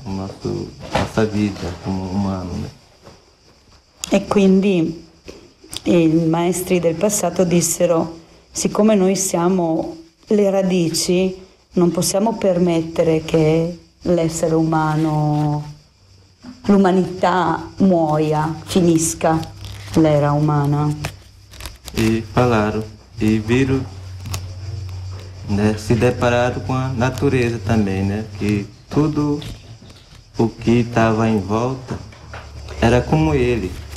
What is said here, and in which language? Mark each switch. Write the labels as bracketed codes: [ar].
[pt] O nosso nossa vida como humano, né? [it] E quindi i maestri del passato dissero: siccome noi siamo le radici, non possiamo permettere che l'essere umano, l'umanità muoia, finisca l'era umana. [pt] E falaram, e viram, né, se depararam com a natureza também, né? Que tudo o que estava em volta era como ele.